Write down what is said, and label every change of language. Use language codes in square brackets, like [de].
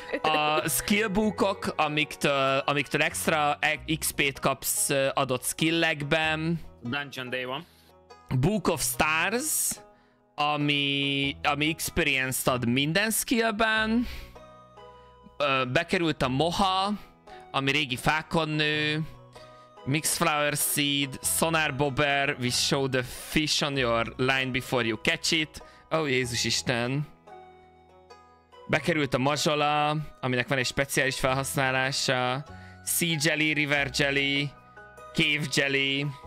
[hu] A skillbookok, amiktől extra XP-t kapsz adott skillekben. Dungeon Day van. Book of Stars, ami experience-t ad minden skillben. Bekerült a Moha, ami régi fákon nő. [en] Mixed Flower Seed, Sonar Bobber, we show the fish on your line before you catch it. [hu] Oh, Jézus Isten. Bekerült a mazsola, aminek van egy speciális felhasználása. [en] Sea Jelly, River Jelly, Cave Jelly.